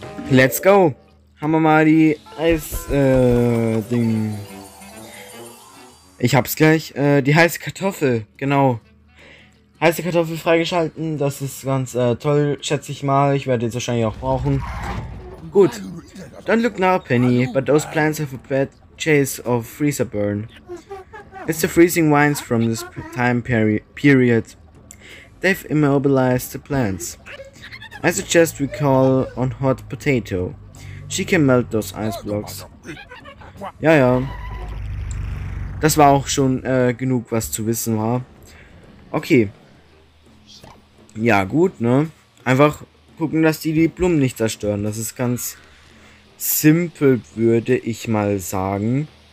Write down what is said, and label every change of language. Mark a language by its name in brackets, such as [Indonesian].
[English] Let's go! [German] Haben wir mal die Eis-Ding. Ich hab's gleich. Die heiße Kartoffel, genau. Heiße Kartoffel freigeschalten, das ist ganz toll, schätze ich mal. Ich werde jetzt wahrscheinlich auch brauchen. Gut. [English] Don't look now, Penny, but those plants have a bad chase of freezer burn. It's the freezing wines from this time period. They've immobilized the plants. I suggest we call on Hot Potato. She can melt those ice blocks. [German] Ja, ja. Das war auch schon genug, was zu wissen war. Okay. Ja, gut, ne? Einfach gucken, dass die Blumen nicht zerstören. Das ist ganz simpel, würde ich mal sagen.